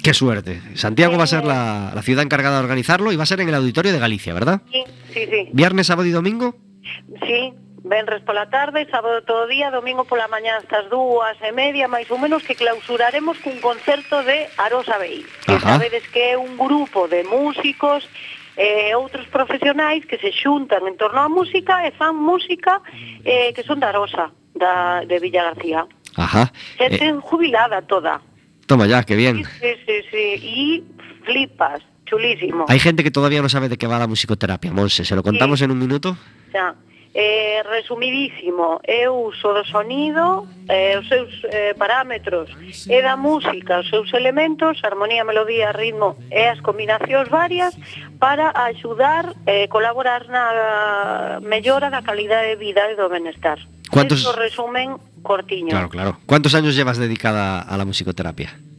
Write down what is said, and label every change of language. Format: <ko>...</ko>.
<es>¡Qué suerte! Santiago va a ser la ciudad encargada de organizarlo y va a ser en el Auditorio de Galicia, ¿verdad? Sí. ¿Viernes, sábado y domingo? Sí, venres por la tarde, sábado todo día, domingo por la mañana hasta las 2:30, más o menos, que clausuraremos con un concierto de Arosa Bey. Ajá.</es> <gl>Que sabedes que é un grupo de músicos, outros profesionais que se xuntan en torno á música e fan música, que son de Arosa, de Villa García. Ajá.</gl> <es>Gente jubilada toda. Toma ya, qué bien. Sí. Y flipas, chulísimo. Hay gente que todavía no sabe de qué va la musicoterapia, Montse. ¿Se lo contamos en un minuto? Ya.</es> <gl>Resumidísimo, é o uso do sonido, os seus parámetros, e da música, os seus elementos, armonía, melodía, ritmo e as combinacións varias para axudar, colaborar na mellora da calidade de vida e do benestar.</gl> <es>¿Cuántos? Eso resumen cortiño. Claro. ¿Cuántos años llevas dedicada a la musicoterapia?</es>